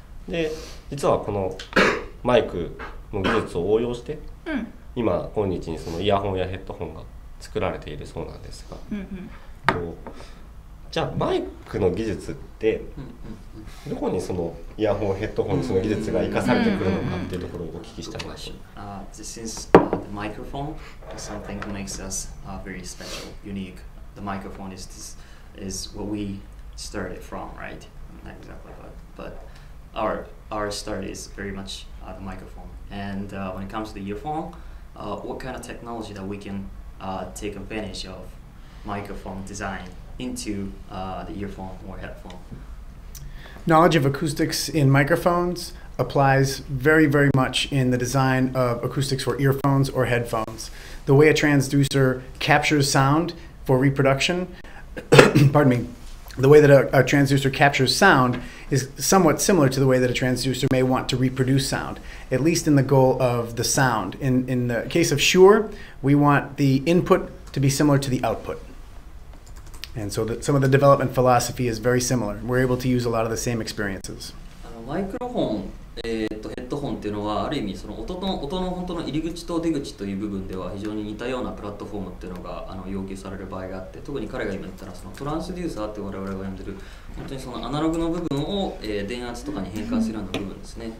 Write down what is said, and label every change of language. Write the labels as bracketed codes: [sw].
[ja] で、実はこのマイクの技術を応用して、今日にそのイヤホンやヘッドホンが作られているそうなんですが、じゃあマイクの技術ってどこにそのイヤホンヘッドホンの技術が生かされてくるのかっていうところをお聞きしたいと思います。 [en] Since the microphone is something that makes us very special, unique, the microphone is what we started from, right? Not exactly, but our start is very much the microphone. And when it comes to the earphone, what kind of technology that we canTake advantage of microphone design into the earphone or headphone. Knowledge of acoustics in microphones applies very, very much in the design of acoustics for earphones or headphones. The way a transducer captures sound for reproduction, pardon me, the way that a transducer captures sound is somewhat similar to the way that a transducer may want to reproduce sound, at least in the goal of the sound. In the case of Shure, we want the input to be similar to the output. And so that some of the development philosophy is very similar. We're able to use a lot of the same experiences. [ja] microphone, ヘッドホンっていうのはある意味その音の本当の入り口と出口という部分では非常に似たようなプラットフォームっていうのが要求される場合があって、特に彼が今言ったらそのトランスデューサーって我々が呼んでる本当にそのアナログの部分を電圧とかに変換するような部分ですね。